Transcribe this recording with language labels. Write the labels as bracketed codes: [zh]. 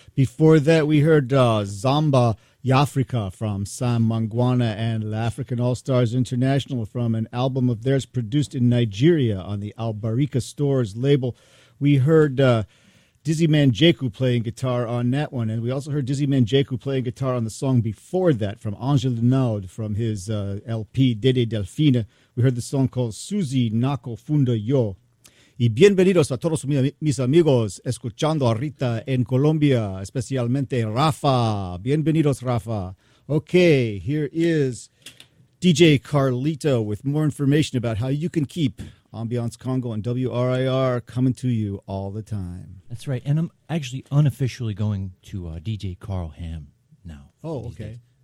[en] Before that, we heard Zamba Yafrika from Sam Mangwana and African All-Stars International from an album of theirs produced in Nigeria on the Albarica Stores label. We heard Dizzy Manjeku playing guitar on that one, and we also heard Dizzy Manjeku playing guitar on the song before that from Angel Naud from his LP Dede Delfina. We heard the song called Suzy Nako Funda Yo. [es] Y bienvenidos a todos mis amigos escuchando ahorita en Colombia, especialmente Rafa. Bienvenidos, Rafa. [en] Okay, here is DJ Carlito with more information about how you can keep Ambiance Congo and WRIR coming to you all the time. That's right, and I'm actually unofficially going to DJ Carl Ham now. Oh, okay.